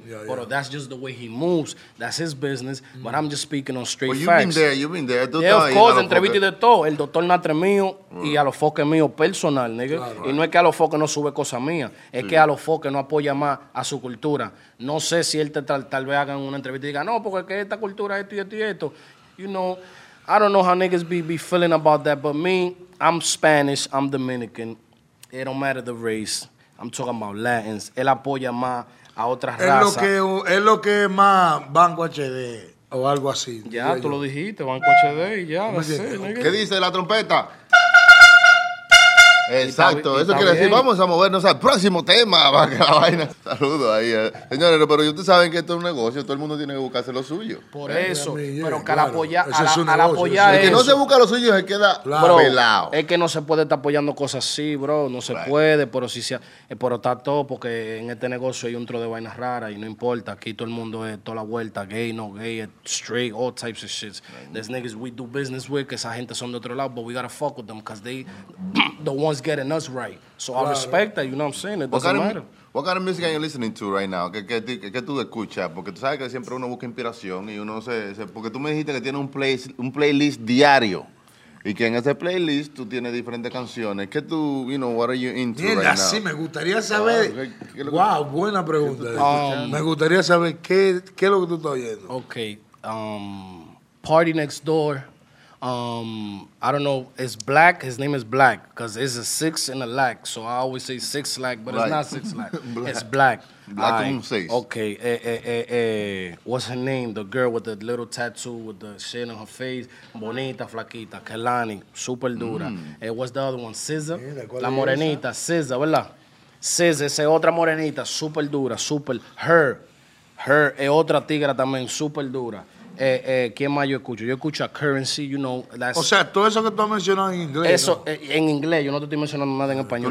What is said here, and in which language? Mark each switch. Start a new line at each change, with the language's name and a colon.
Spanish: Pero
English: that's just the way he moves. That's his business. But I'm just speaking on straight facts. You've been there. You've been there. Yeah, of course.
Spanish: Entrevista y de todo. El doctor Natre mío y a los foques mío personal, nigga. Y no es que a los foques no sube cosa mía. Es que a los foques no apoya más a su cultura. No sé si él tal vez haga una entrevista y diga, no, porque es que esta cultura es esto y esto y esto.
English: You know, I don't know how niggas be feeling about that, but me, I'm Spanish, I'm Dominican. It don't matter the race. I'm talking about Latins.
Spanish: Él apoya más a otras razas. Es lo que más Banco HD o algo así. Ya, tú lo dijiste, Banco HD y ya. ¿Qué dice la trompeta? Exacto, eso quiere decir, vamos a movernos al próximo tema, la vaina. Saludos ahí. Señores, pero ustedes saben que esto es un negocio, todo el mundo tiene que buscarse lo suyo. Por eso, pero que al apoyar el que no se busca lo suyo se queda pelado. Es que no se puede estar apoyando cosas así, bro, no se puede, pero sí sea, pero está todo, porque en este negocio hay un tro de vainas raras y no importa, aquí todo el mundo es toda la vuelta, gay, no gay,
English: straight, all types of shit. There's niggas we do business with,
Spanish: que esa gente son de otro lado,
English: but we gotta fuck with them, because they the ones getting us right. So I respect that, you know what I'm saying? It doesn't matter. What kind of music are you listening to right now?
Spanish: ¿Qué tú escuchas? Porque tú sabes que siempre uno busca inspiración y uno se... Porque tú me dijiste que tienes un playlist diario y que en ese playlist tú tienes diferentes canciones. ¿Qué tú,
English: you know, what are you into right now?
Spanish: Sí, me gustaría saber... Wow, buena pregunta. Me gustaría saber qué es lo que tú estás oyendo.
English: Okay. Party Next Door. I don't know, it's Black, his name is Black, because it's a six and a lakh, so I always say six lakh, but it's not six lakh, Black. It's Black. Black and six. Okay, what's her name, the girl with the little tattoo with the shit on her face, Bonita, Flaquita, Kelani, super dura. What's the other one, SZA, La Morenita, SZA, ¿verdad?
Spanish: SZA, esa otra morenita, super dura, super,
English: her,
Spanish: es otra tigra también, super dura. ¿Quién más yo escucho? Yo escucho a Currency,
English: you know. That's...
Spanish: O sea, todo eso que tú has mencionado en inglés. Eso, en inglés. Yo no te estoy mencionando nada en español.